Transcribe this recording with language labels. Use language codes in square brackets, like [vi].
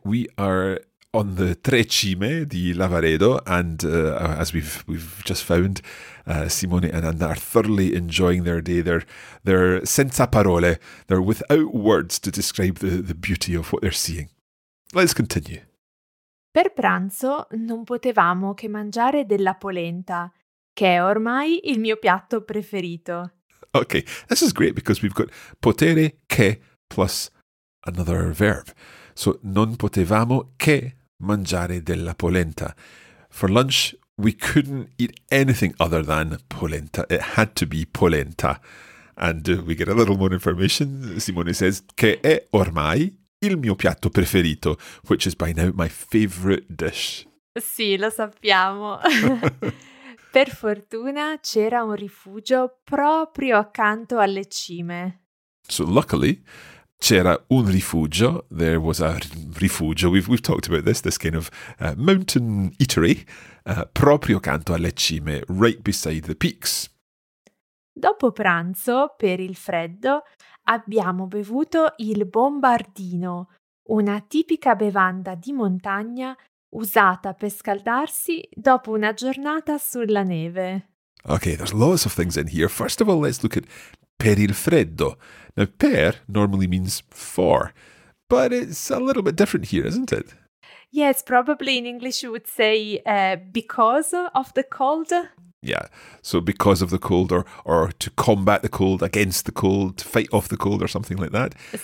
[en] We are on the Tre Cime di Lavaredo, and as we've just found, Simone and Anna are thoroughly enjoying their day. They're [it] senza parole. [en] They're without words to describe the beauty of what they're seeing. Let's continue. [it] Per pranzo non potevamo che mangiare della polenta, che è ormai il mio piatto preferito. [en] Okay, this is great because we've got potere che plus another verb. So, non potevamo che mangiare della polenta. For lunch, we couldn't eat anything other than polenta. It had to be polenta. And we get a little more information. Simone says, [it] che è ormai il mio piatto preferito, [en] which is by now my favorite dish. [it] Sì, lo sappiamo. Per fortuna c'era un rifugio proprio accanto alle cime. [en] So, luckily, [it] c'era un rifugio, [en] there was a rifugio, we've talked about this kind of mountain eatery, [it] proprio canto alle cime, [en] right beside the peaks. [it] Dopo pranzo, per il freddo, abbiamo bevuto il bombardino, una tipica bevanda di montagna usata per scaldarsi dopo una giornata sulla neve. [en] Okay, there's lots of things in here. First of all, let's look at [it] per il freddo. [en] Now, per normally means for, but it's a little bit different here, isn't it? Yes, probably in English you would say because of the cold. Yeah, so because of the cold or to combat the cold, against the cold, to fight off the cold or something like that.